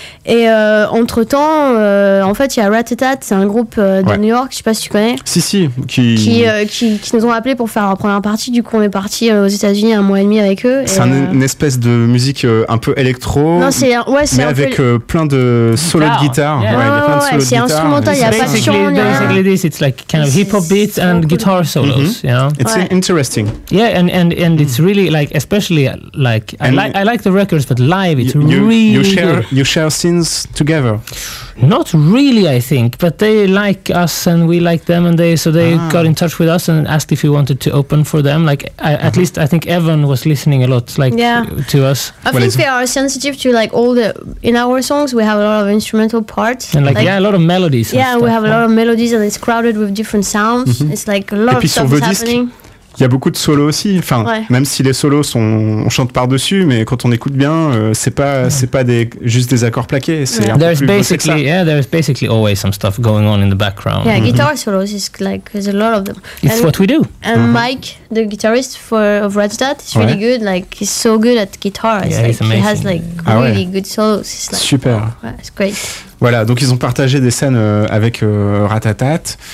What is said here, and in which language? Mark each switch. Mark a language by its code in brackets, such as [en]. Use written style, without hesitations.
[fr] Et entre temps, en fait, il y a Ratatat, c'est un groupe de New York, je sais pas si tu connais. Si, si. Qui nous ont appelés pour faire leur première partie. Du coup, on est parti aux États-Unis un mois et demi avec eux. C'est et une espèce de musique un peu électro. Non, c'est. Ouais, c'est. Mais avec plein de solos de guitare. [en] Yeah. [fr] Ouais, c'est instrumental, il n'y a pas de chant. [en] It's like kind of hip hop beats and guitar solos. Mm-hmm. Yeah. It's interesting. Yeah, and it's really like, especially like. I like the records, but live. You share scenes together. Not really, I think, but they like us and we like them, and they got in touch with us and asked if we wanted to open for them. Like at least I think Evan was listening a lot, like to us. I think they are sensitive to like all the in our songs. We have a lot of instrumental parts and like a lot of melodies. Yeah, stuff, we have a lot of melodies and it's crowded with different sounds. Mm-hmm. It's like a lot of stuff is happening. [fr] Il y a beaucoup de solos aussi, enfin, même si les solos sont, on chante par-dessus, mais quand on écoute bien, c'est pas juste des accords plaqués, c'est un [en] there's [fr] peu plus bossé que ça. [en] Yeah, there's basically always some stuff going on in the background. Yeah, guitar solos, is like, there's a lot of them. It's what we do. And Mike, the guitarist of Ratatat, is really good, like, he's so good at guitar. Yeah, like, he's amazing. He has like really good solos. It's like, super. Yeah, it's great. [fr] Voilà, donc ils ont partagé des scènes avec Ratatat.